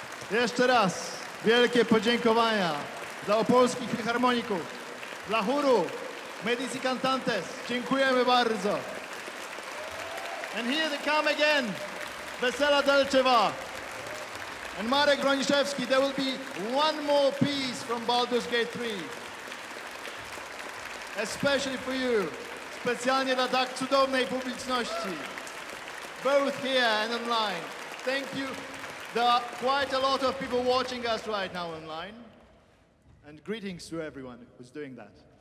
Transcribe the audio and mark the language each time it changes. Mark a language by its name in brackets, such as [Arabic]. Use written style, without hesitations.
[Polish] Jeszcze raz wielkie podziękowania dla opolskich filharmoników, dla chóru Medici Cantantes. Dziękujemy bardzo. [English] And here they come again. Vesela Delcheva and Marek Broniszewski. There will be one more piece from Baldur's Gate 3. Especially for you. [Polish] Specjalnie dla tak cudownej publiczności. [English] Both here and online. Thank you. There are quite a lot of people watching us right now online. And greetings to everyone who's doing that.